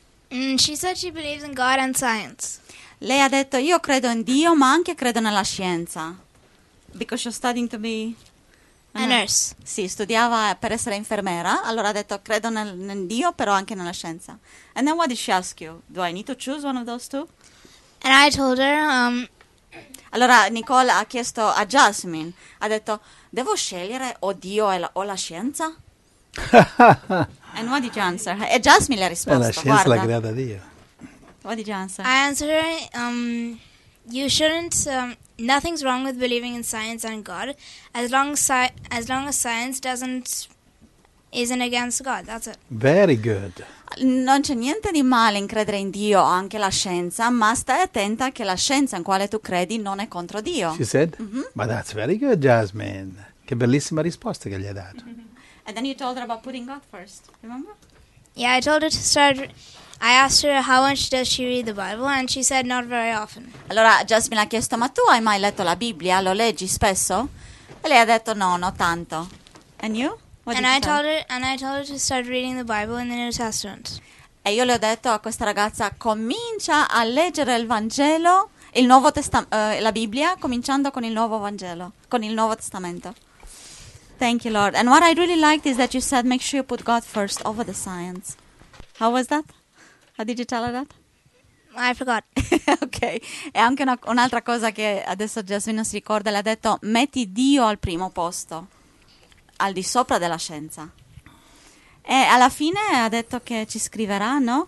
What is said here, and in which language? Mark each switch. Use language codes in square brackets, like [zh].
[en] She said she believes in God and science. [it] Lei ha detto, io credo in Dio ma anche credo nella scienza. [en] Because she's studying to be... A nurse. [it] Sì, studiava per essere infermera. Allora ha detto, credo nel Dio, però anche nella scienza. [en] And then what did she ask you? Do I need to choose one of those two? And I told her... [it] Allora Nicole ha chiesto a Jasmine, ha detto, devo scegliere o Dio o la scienza? [en] And what did you answer? E Jasmine le ha risposto, [it] la scienza, guarda, l'ha creata Dio. [en] What did you answer? I answered her, you shouldn't... Nothing's wrong with believing in science and God, as long as science isn't against God. That's it. Very good. [it] Non c'è niente di male in credere in Dio o anche la scienza, ma stai attenta che la scienza in quale tu credi non è contro Dio. [en] She said. Mm-hmm. But that's very good, Jasmine. [it] Che bellissima risposta che gli hai dato. Mm-hmm. [en] And then you told her about putting God first. Remember? Yeah, I told her to start. I asked her how much does she read the Bible and she said not very often. [it] Allora Jasmine ha chiesto, ma tu hai mai letto la Bibbia? Lo leggi spesso? E lei ha detto no, non tanto. [en] And you? I told her to start reading the Bible in the New Testament. [it] E io le ho detto a questa ragazza, comincia a leggere il Vangelo, il Nuovo la Bibbia, cominciando con il Nuovo Vangelo, con il Nuovo Testamento. [en] Thank you, Lord. And what I really liked is that you said make sure you put God first over the science. How was that? How did you tell her that? I forgot. Okay. [it] E anche un'altra cosa che adesso Jasmine si ricorda, le ha detto, metti Dio al primo posto, al di sopra della scienza. E alla fine ha detto che ci scriverà, no?